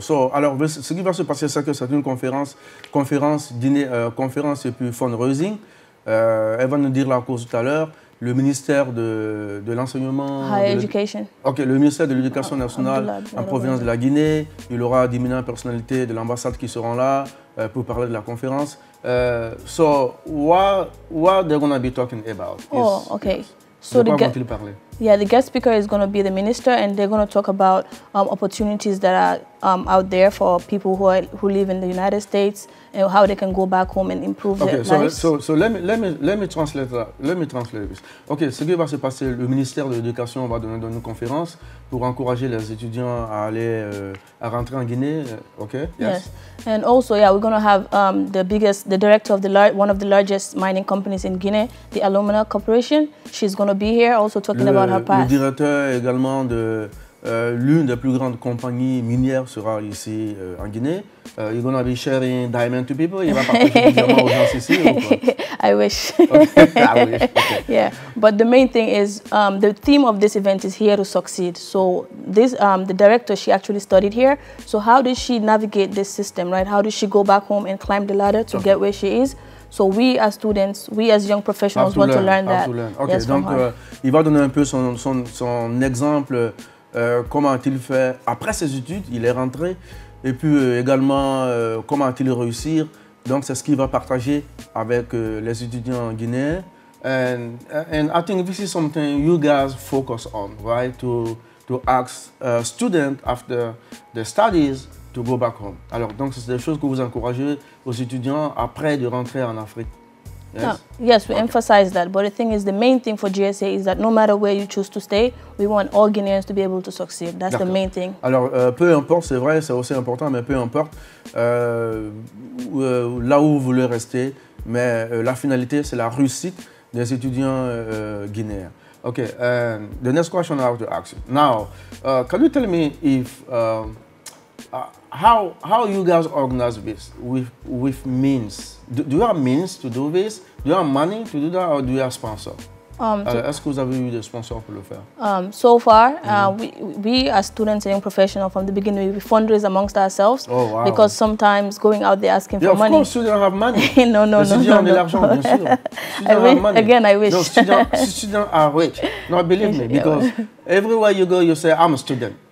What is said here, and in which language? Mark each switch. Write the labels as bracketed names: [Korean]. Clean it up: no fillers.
[French] So, alors, ce qui va se passer, c'est que c'est une conférence et puis fundraising. Elle va nous dire la cause tout à l'heure. Le ministère de l'enseignement... [English] Higher Education. [French] OK, le ministère de l'éducation nationale en provenance de la Guinée. Il y aura 10 000 personnalités de l'ambassade qui seront là pour parler de la conférence. [English] So, what are they going to be talking about? Oh, OK. [French] So de quoi vont-ils parler? [English] Yeah, the guest speaker is going to be the minister, and they're going to talk about opportunities that are out there for people who live in the United States and how they can go back home and improve okay, their so, lives. Okay, so let me translate that. Let me translate this. [French] Okay, ce qui va se passer, le ministère de l'Éducation va donner une conférence pour encourager les étudiants à aller à rentrer en Guinée. [English] Okay. Yes. And also, yeah, we're going to have the director of one of the largest mining companies in Guinea, the Alumina Corporation. She's going to be here also talking. [French] Le directeur également de l'une des plus grandes compagnies minières sera ici en Guinée. [English] You're gonna be sharing diamonds to people. [French] Il va partager diamants aux gens ici. [English] I wish. Okay. Yeah, but the main thing is the theme of this event is here to succeed. So this the director, she actually studied here. So how did she navigate this system, right? How did she go back home and climb the ladder to get where she is? So we as students, we as young professionals want to learn that. Okay, yes, [French] donc il va donner un peu son exemple, comment a-t-il fait après ses études, il est rentré, et puis également comment a-t-il réussi. Donc c'est ce qu'il va partager avec les étudiants guinéens. [English] And I think this is something you guys focus on, right? To ask students after their studies, to go back home. [French] Alors, donc, c'est des choses que vous encouragez aux étudiants après de rentrer en Afrique. [English] Yes, emphasize that. But the thing is, the main thing for GSA is that no matter where you choose to stay, we want all Guineans to be able to succeed. That's the main thing. [French] Alors, peu importe, c'est vrai, c'est aussi important, mais peu importe là où vous voulez rester, mais la finalité, c'est la réussite des étudiants guinéens. [English] Okay, the next question I have to ask you. Now, can you tell me if... How you guys organize this with means? Do you have means to do this? Do you have money to do that, or do you have sponsor? [French] Est-ce que vous avez eu des sponsors pour le faire? [English] So far, we as students and young professionals from the beginning, we fundraise amongst ourselves. Oh, wow. Because sometimes going out there asking for money. Of course, students have money. No, again, I wish. Students are rich. No, believe me, because everywhere you go, you say, I'm a student.